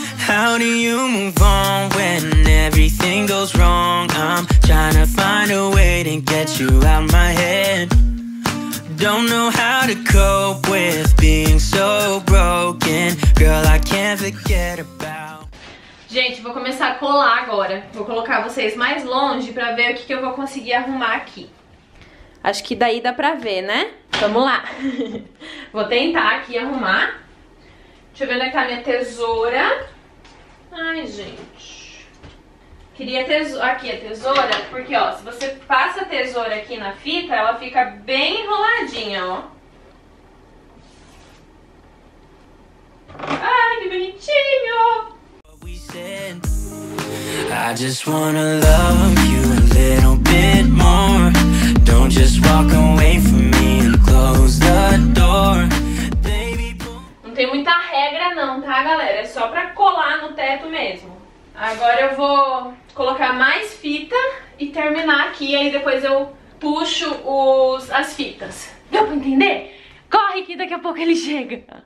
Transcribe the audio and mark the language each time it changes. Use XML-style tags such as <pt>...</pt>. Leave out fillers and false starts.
<en>How do you move on when everything goes wrong? I'm trying to find a way to get you out my head. Don't know how to cope with being so broken. Girl, I can't forget about.</en> <pt>Gente, vou começar a colar agora. Vou colocar vocês mais longe pra ver o que, que eu vou conseguir arrumar aqui. Acho que daí dá pra ver, né? Vamos lá. Vou tentar aqui arrumar. Deixa eu ver onde é que tá a minha tesoura. Ai, gente. Queria tesoura, aqui a tesoura, porque ó, se você passa a tesoura aqui na fita, ela fica bem enroladinha, ó. Ai, que bonitinho!</pt> <en>I just wanna love you a little bit more. Don't just walk away from me and close the door.</en> <pt>Baby, não tem muita regra não, tá, galera? É só pra colar no teto mesmo. Agora eu vou colocar mais fita e terminar aqui, aí depois eu puxo as fitas. Deu pra entender? Corre que daqui a pouco ele chega.</pt>